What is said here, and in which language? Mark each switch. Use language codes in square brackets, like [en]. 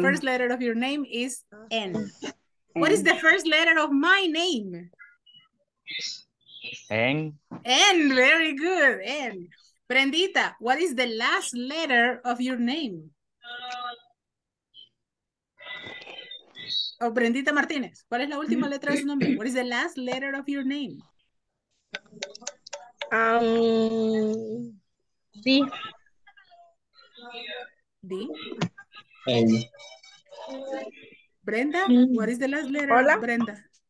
[en] The first letter of your name is N. What is the first letter of my name? N. N, very good. N. Brendita, what is the last letter of your name? [es] Oh, Brendita Martinez, ¿cuál es la última letra de su nombre? [en] What is the last letter of your name? D. D. N. Brenda, what is the last letter? [es] Hola. [en] Brenda.